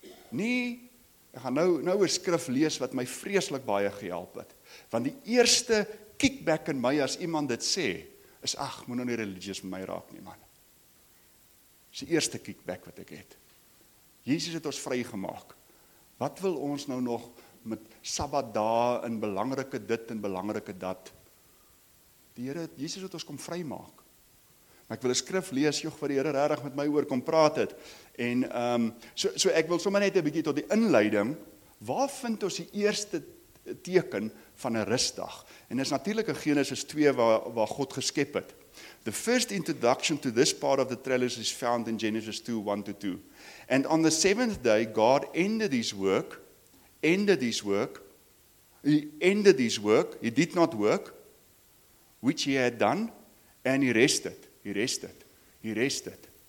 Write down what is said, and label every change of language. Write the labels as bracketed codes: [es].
[af] Nie, ek gaan nou 'n skrif lees wat my vreeslik baie gehelp het. Want die eerste kickback in my as iemand dit sê, is ag, moet nou nie religieus met my raak nie, man. Dis die eerste kickback wat ek het. Jesus het ons vrygemaak. Wat wil ons nou nog met Sabbatdae en belangrike dit en belangrike dat? Die Here, Jesus het ons kom vrymaak. Ek wil 'n skrif lees, joh, wat die Here regtig met my oor kom praat het. En so ek wil sommer net 'n bietjie tot die inleiding. Waar vind ons die eerste teken van 'n rusdag. En dit is natuurlik in Genesis 2 waar God geskep het. [en] The first introduction to this part of the trellis is found in Genesis 2:1-2. And on the seventh day, God ended his work, he did not work, which he had done, and he rested.